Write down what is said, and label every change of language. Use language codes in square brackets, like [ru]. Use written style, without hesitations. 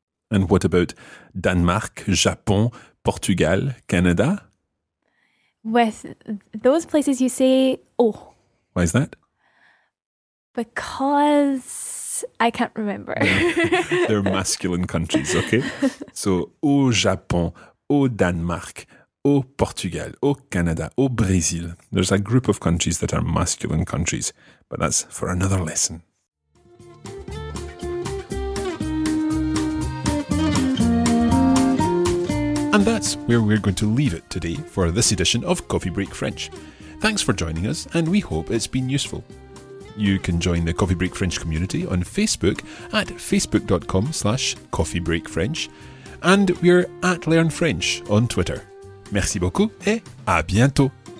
[en] And what about Denmark, Japon, Portugal, Canada? With those places, you say oh. Why is that? Because I can't remember. They're masculine countries, okay? [fr] So, au Japon, au Danemark, au Portugal, au Canada, au Brésil. [en] There's a group of countries that are masculine countries, but that's for another lesson. And that's where we're going to leave it today for this edition of Coffee Break French. Thanks for joining us, and we hope it's been useful. You can join the Coffee Break French community on Facebook at facebook.com/coffeebreakfrench, and we're at Learn French on Twitter. [fr] Merci beaucoup et à bientôt!